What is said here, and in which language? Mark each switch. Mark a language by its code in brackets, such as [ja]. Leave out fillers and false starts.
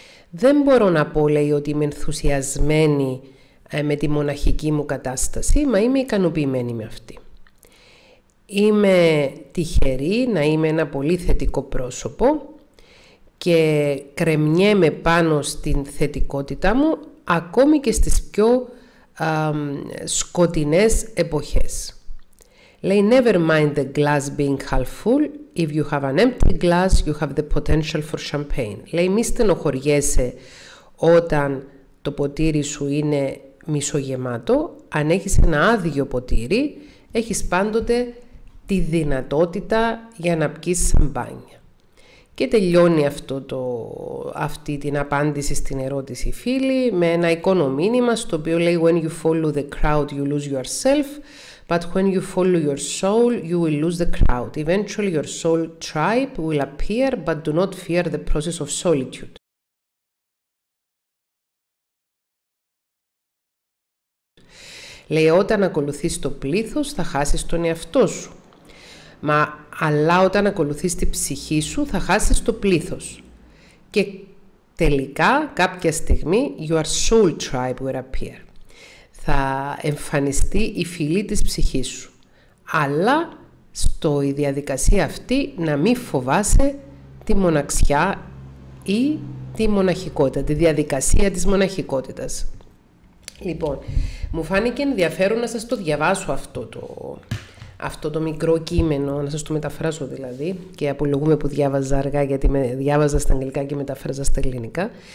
[el] Δεν μπορώ να πω, λέει, ότι είμαι ενθουσιασμένη με τη μοναχική μου κατάσταση, μα είμαι ικανοποιημένη με αυτή. Είμαι τυχερή να είμαι ένα πολύ θετικό πρόσωπο και κρεμιέμαι πάνω στην θετικότητά μου, ακόμη και στις πιο σκοτεινές εποχές. [en] Λέει, never mind the glass being half full. If you have an empty glass, you have the potential for champagne. [el] Λέει, μη στενοχωριέσαι όταν το ποτήρι σου είναι μισογεμάτο. Αν έχεις ένα άδειο ποτήρι, έχεις πάντοτε τη δυνατότητα για να πιεις σαμπάνια. Και τελειώνει αυτή την απάντηση στην ερώτηση, φίλη, με ένα εικόνο μήνυμα στο οποίο λέει, [en] when you follow the crowd, you lose yourself. But when you follow your soul, you will lose the crowd. Eventually, your soul tribe will appear, but do not fear the process of solitude. [el] Λέει, όταν ακολουθείς το πλήθος, θα χάσεις τον εαυτό σου. Αλλά όταν ακολουθείς τη ψυχή σου, θα χάσεις το πλήθος. Και τελικά, κάποια στιγμή, [en] your soul tribe will appear. [el] Θα εμφανιστεί η φυλή της ψυχής σου. Αλλά στο η διαδικασία αυτή να μην φοβάσαι τη μοναξιά ή τη μοναχικότητα, τη διαδικασία της μοναχικότητας. Λοιπόν, μου φάνηκε ενδιαφέρον να σας το διαβάσω αυτό το μικρό κείμενο, να σας το μεταφράσω δηλαδή, και απολογούμε που διάβαζα αργά γιατί διάβαζα στα αγγλικά και μεταφράζα στα ελληνικά.